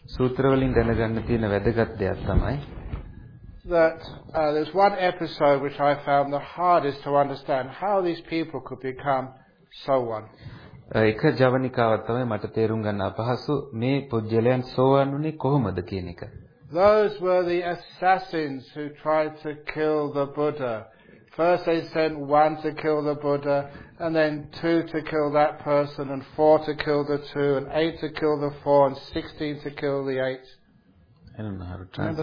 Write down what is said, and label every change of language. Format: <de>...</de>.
<si>සූත්‍ර වලින් දැනගන්න තියෙන වැදගත් දෙයක් තමයි.</si> <en>That there's one episode which I found the hardest to understand how these people could become sowan.</en> <si>එක ජවනිකාවක් තමයි මට තේරුම් ගන්න අපහසු මේ පොජ්ජලයන් සෝවන් වුණේ කොහොමද කියන එක.</si> <en>Those were the assassins who tried to kill the Buddha. First they sent one to kill the Buddha, and then two to kill that person, and four to kill the two, and eight to kill the four, and 16 to kill the eight. I don't know how to translate that.</en>